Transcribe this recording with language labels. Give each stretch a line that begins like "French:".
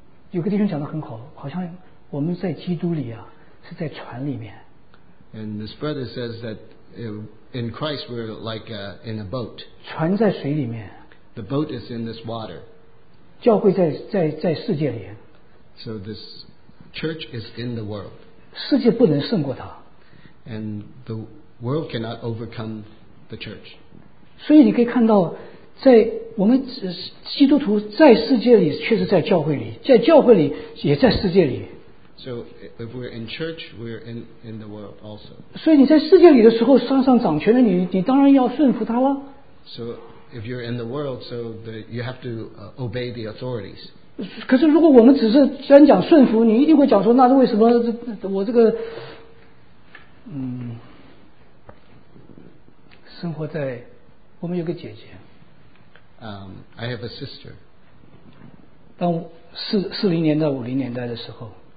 Chinese: 有个弟兄讲得很好，好像我们在基督里啊，是在船里面。
English: And this brother says that in Christ we're like in a boat.
Chinese: 船在水里面。
English: The boat is in this water.
Chinese: 教会在世界里。
English: So this Church is in the world.
Chinese: 世界不能胜过它。
English: And the world cannot overcome the church.
Chinese: 所以你可以看到，在我们基督徒在世界里，确实在教会里，在教会里也在世界里。
English: So if we're in church, we're in the world also.
Chinese: 所以你在世界里的时候，上上掌权的你当然要顺服他了。
English: So if you're in the world, so you have to obey the authorities.
Chinese: 可是如果我们只是专讲顺服，你一定会讲说，那为什么我这个生活在，我们有个姐姐。
English: I have a sister.
Chinese: 当40年代50年代的时候。